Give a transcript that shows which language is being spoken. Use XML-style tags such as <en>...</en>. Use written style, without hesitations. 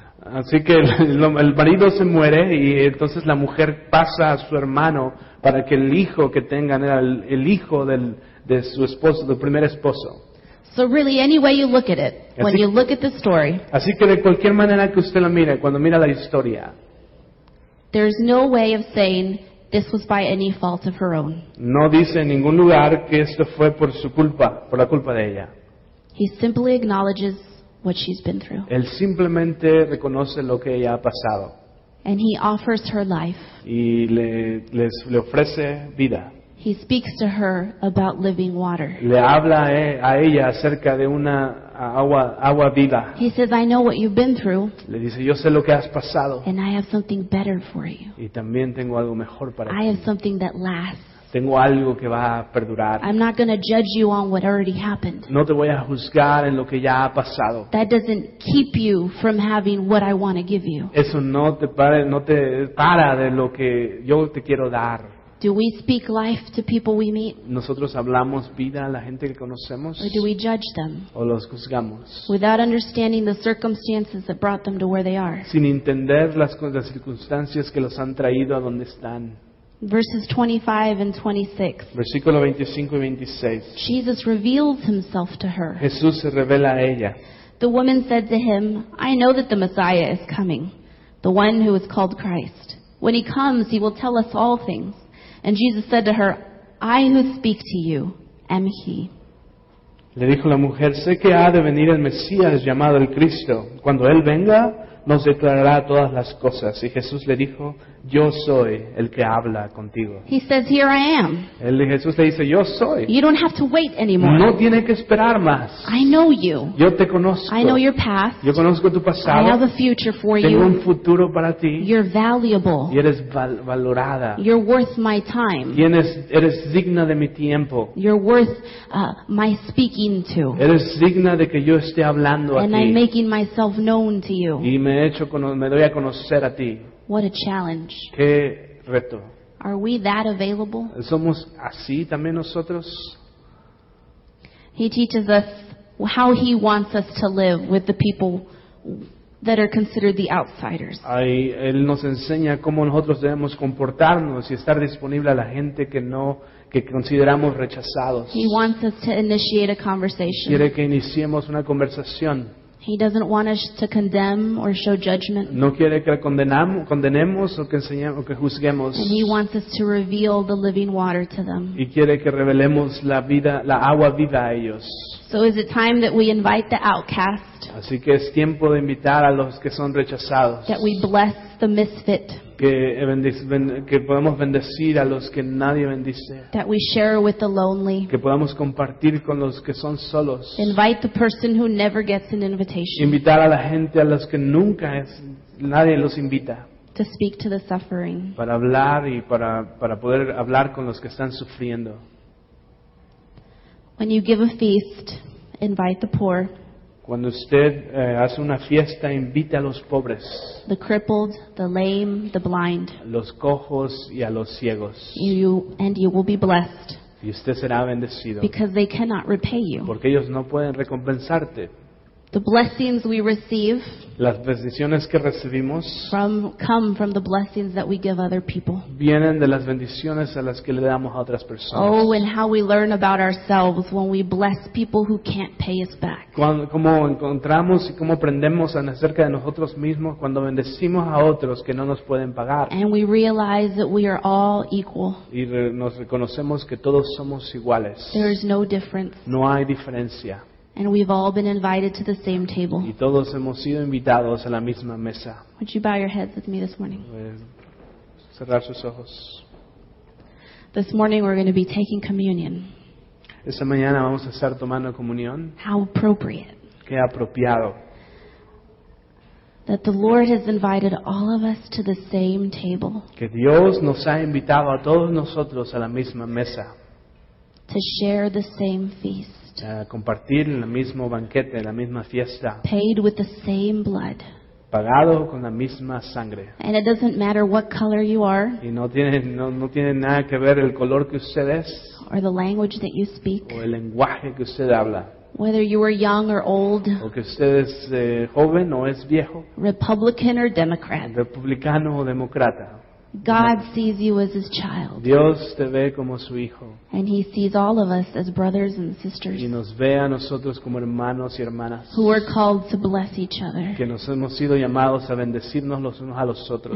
<es>Así que el marido se muere y entonces la mujer pasa a su hermano para que el hijo que tengan era el hijo de su esposo, del primer esposo.</es> <en>So really, any way you look at it, when you look at the story,</en> <es>así que de cualquier manera que usted la mire, cuando mira la historia,</es> <en>there's no way of saying this was by any fault of her own.</en> <es>No dice en ningún lugar que esto fue por su culpa, por la culpa de ella.</es> <en>He simply acknowledges what she's been through.</en> <es>Él simplemente reconoce lo que ella ha pasado.</es> <en>And he offers her life.</en> <es>Y le ofrece vida.</es> <en>He speaks to her about living water.</en> <es>Le habla a ella acerca de una agua viva.</es> <en>He says, "I know what you've been through."</en> <es>Le dice, "Yo sé lo que has pasado."</es> <en>"And I have something better for you."</en> <es>Y también tengo algo mejor para ti.</es> <en>"I have something that lasts."</en> <es>Tengo algo que va a perdurar.</es> <en>"I'm not going to judge you on what already happened."</en> <es>No te voy a juzgar en lo que ya ha pasado.</es> <en>"That doesn't keep you from having what I want to give you."</en> <es>Eso no te para de lo que yo te quiero dar.</es> <en>Do we speak life to people we meet?</en> <es>¿Nosotros hablamos vida a la gente que conocemos?</es> <en>Or do we judge them?</en> <es>¿O los juzgamos?</es> <en>Without understanding the circumstances that brought them to where they are.</en> <es>Sin entender las circunstancias que los han traído a donde están.</es> <en>Verses 25 and 26.</en> <es>Versículo 25 y 26.</es> <en>Jesus reveals himself to her.</en> <es>Jesús se revela a ella.</es> <en>The woman said to him, "I know that the Messiah is coming, the one who is called Christ. When he comes, he will tell us all things." And Jesus said to her, "I who speak to you am he."</en> <es>Le dijo la mujer, "Sé que ha de venir el Mesías llamado el Cristo. Cuando él venga, nos declarará todas las cosas." Y Jesús le dijo, "Yo soy el que habla contigo."</es> <en>He says, "Here I am."</en> <es>Jesús le dice, "Yo soy."</es> <en>"You don't have to wait anymore."</en> <es>No tiene que esperar más.</es> <en>"I know you."</en> <es>Yo te conozco.</es> <en>"I know your past."</en> <es>Yo conozco tu pasado.</es> <en>"I have a future for</en> <es>Tengo</es> <en>you."</en> <es>Tengo un futuro para ti.</es> <en>"You're valuable."</en> <es>Y eres valorada.</es> <en>"You're worth my time."</en> <es>Eres digna de mi tiempo.</es> <en>"You're worth my speaking to."</en> <es>Eres digna de que yo esté hablando</es> <en>"And</en> <es>a ti."</es> <en>"I'm making myself known to you."</en> <es>Y me doy a conocer a ti.</es> <en>What a challenge.</en> <es>Qué reto.</es> <en>Are we that available?</en> <es>¿Somos así también nosotros?</es> <en>He teaches us how he wants us to live with the people that are considered the outsiders.</en> <es>Ahí, él nos enseña cómo nosotros debemos comportarnos y estar disponible a la gente que consideramos rechazados.</es> <en>He wants us to initiate a conversation.</en> <es>Quiere que iniciemos una conversación.</es> <en>He doesn't want us to condemn or show judgment.</en> <es>No quiere que condenemos o que enseñemos o que juzguemos.</es> <en>And he wants us to reveal the living water to them.</en> <es>Y quiere que revelemos la vida, la agua viva a ellos.</es> <en>So is it time that we invite the outcast?</en> <es>Así que es tiempo de invitar a los que son rechazados.</es> <en>That we bless the misfit.</en> <es>que podamos bendecir a los que nadie bendice.</es> <en>That we share with the lonely.</en> <es>Que podamos compartir con los que son solos.</es> <en>Invite the person who never gets an invitation.</en> <es>Invitar a la gente a los que nunca es, nadie los invita.</es> <en>To speak to the suffering.</en> <es>Para hablar y para poder hablar con los que están sufriendo.</es> <en>When you give a feast, invite the poor.</en> <es>Cuando usted hace una fiesta, invite a los pobres.</es> <en>The crippled, the lame, the blind.</en> <es>Los cojos y a los ciegos.</es> <en>You will be blessed.</en> <es>Y usted será bendecido.</es> <en>Because they cannot repay you.</en> <es>Porque ellos no pueden recompensarte.</es> <en>The blessings we receive.</en> <es>Las bendiciones que recibimos.</es> <en>Come from the blessings that we give other people.</en> <es>Vienen de las bendiciones a las que le damos a otras personas.</es> <en>Oh, and how we learn about ourselves when we bless people who can't pay us back.</en> <es>Cómo encontramos y cómo aprendemos acerca de nosotros mismos cuando bendecimos a otros que no nos pueden pagar.</es> <en>And we realize that we are all equal.</en> <es>Y nos reconocemos que todos somos iguales.</es> <en>There is no difference.</en> <es>No hay diferencia.</es> <en>And we've all been invited to the same table.</en> <es>Y todos hemos sido invitados a la misma mesa.</es> <en>Would you bow your heads with me this morning?</en> <es>Cerrar sus ojos.</es> <en>This morning we're going to be taking communion.</en> <es>Esta mañana vamos a estar tomando comunión.</es> <en>How appropriate.</en> <es>Qué apropiado.</es> <en>That the Lord has invited all of us to the same table.</en> <es>Que Dios nos ha invitado a todos nosotros a la misma mesa.</es> <en>To share the same feast.</en> <es>Compartir el mismo banquete, la misma fiesta.</es> <en>Paid with the same blood.</en> <es>Pagado con la misma sangre.</es> <en>And it doesn't matter what color you are.</en> <es>Y no tiene nada que ver el color que usted es.</es> <en>Or the language that you speak.</en> <es>O el lenguaje que usted habla.</es> <en>Whether you are young or old.</en> <es>O que usted es joven o es viejo.</es> <en>Republican or Democrat.</en> <es>Republicano o demócrata.</es> <en>God sees you as His child.</en> <es>Dios te ve como su hijo.</es> <en>And He sees all of us as brothers and sisters.</en> <es>Y nos ve a nosotros como hermanos y hermanas.</es> <en>Who are called to bless each other.</en> <es>Que nos hemos sido llamados a bendecirnos los unos a los otros.</es>